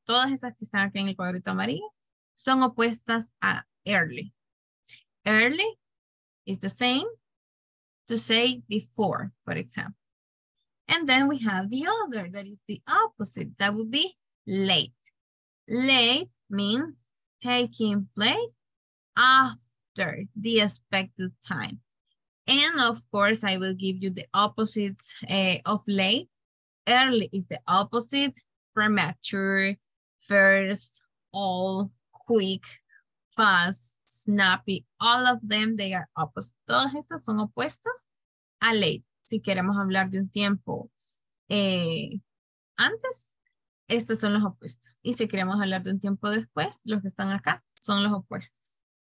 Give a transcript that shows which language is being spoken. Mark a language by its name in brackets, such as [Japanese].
[Spanish] Todas esas que están aquí en el cuadrito amarillo son opuestas a early. [English] Early is the same to say before, for example. And then we have the other that is the opposite. That would be late. Late means taking place after the expected time. And of course, I will give you the opposites of late. Early is the opposite, premature, first, all, quick, fast, snappy. All of them, they are opposite. [Spanish] Todas estas son opuestas a [English] late. [Spanish] Si queremos hablar de un tiempo antes, estos son los opuestos. Y si queremos hablar de un tiempo después, los que están acá son los opuestos.